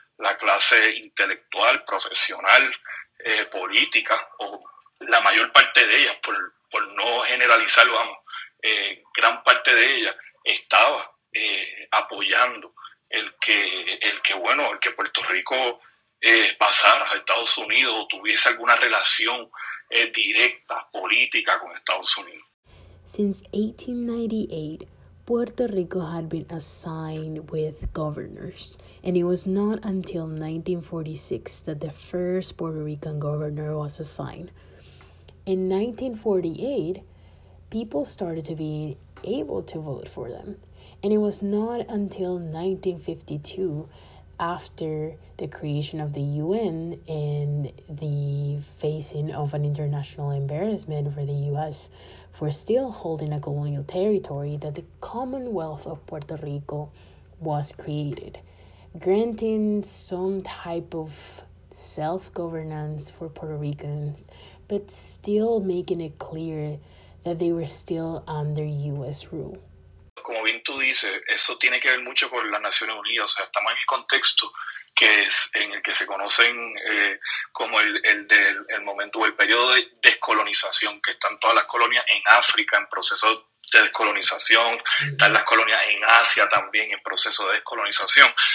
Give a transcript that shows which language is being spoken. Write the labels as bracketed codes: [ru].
[es] La clase intelectual, profesional, política, o la mayor parte de ellas, por no generalizar, vamos, gran parte de ellas estaba apoyando el que Puerto Rico pasara a Estados Unidos o tuviese alguna relación directa, política, con Estados Unidos. [en] Since 1898, Puerto Rico had been assigned with governors, and it was not until 1946 that the first Puerto Rican governor was assigned. In 1948, people started to be able to vote for them, and it was not until 1952, after the creation of the UN and the facing of an international embarrassment for the US for still holding a colonial territory, that the Commonwealth of Puerto Rico was created, granting some type of self-governance for Puerto Ricans, but still making it clear that they were still under US rule. [es] Como bien tú dices, eso tiene que ver mucho con las Naciones Unidas. O sea, estamos en el contexto que es en el que se conocen como el momento o el periodo de descolonización, que están todas las colonias en África en proceso de descolonización, están las colonias en Asia también en proceso de descolonización.